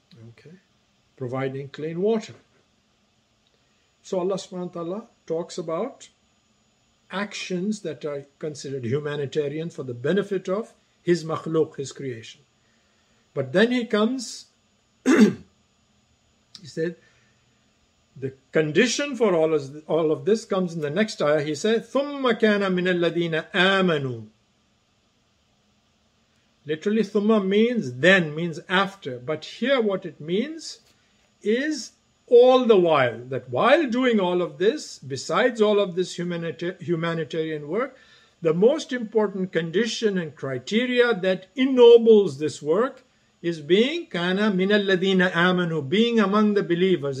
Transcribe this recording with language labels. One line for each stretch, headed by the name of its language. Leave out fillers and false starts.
English: Okay, providing clean water. So Allah subhanahu wa ta'ala talks about actions that are considered humanitarian for the benefit of His makhluk, His creation. But then He comes, He said, the condition for all of this comes in the next ayah. He said,
Arabic: ثُمَّ كَانَ مِنَ الَّذِينَ آمَنُوا.
English: Literally, ثُمَّ means then, means after. But here what it means is all the while, that while doing all of this, besides all of this humanitarian work, the most important condition and criteria that ennobles this work is being
Arabic: kana min alladhina amanu,
English: being among the believers.